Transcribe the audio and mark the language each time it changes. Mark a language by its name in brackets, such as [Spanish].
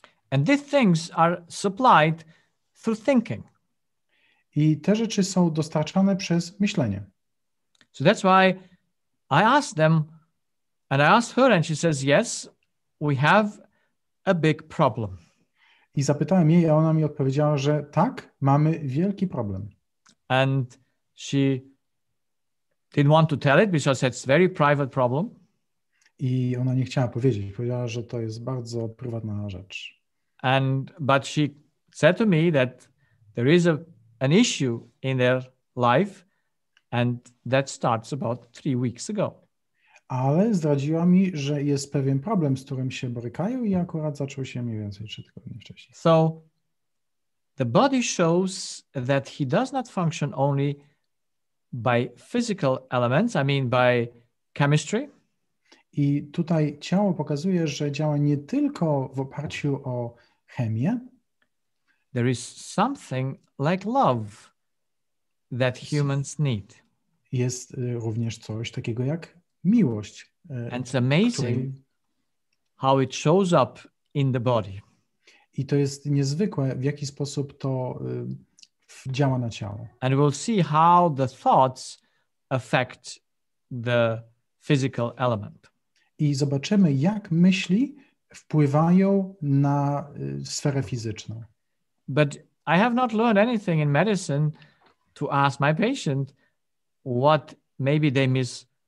[English] And these things are supplied through thinking. [Polish] I te rzeczy są dostarczane przez myślenie. [English] So that's why I asked them, and I asked her, and she says, yes, we have a big problem. [Polish] I zapytałem jej, a ona mi odpowiedziała, że tak, mamy wielki problem. [English] And she didn't want to tell it because it's a very private problem. [Polish] I ona nie chciała powiedzieć, powiedziała, że to jest bardzo prywatna rzecz. [English] And but she said to me that there is an issue in their life and that starts about 3 weeks ago. [Polish] Ale zdradziła mi, że jest pewien problem, z którym się borykają i akurat zaczął się mniej więcej 3 tygodnie wcześniej. [English] So the body shows that he does not function only by physical elements, I mean by chemistry. [Polish] I tutaj ciało pokazuje, że działa nie tylko w oparciu o chemię. [English] There is something like love that humans need. [Polish] Jest również coś takiego jak miłość. [English] And it's amazing how it shows up in the body. [Polish] I to jest niezwykłe, w jaki sposób to działa na ciało. [English] And we'll see how the thoughts affect the physical element. [Polish] I zobaczymy, jak myśli wpływają na sferę fizyczną. [English] But I have not learned anything in medicine to ask my patient what maybe they miss.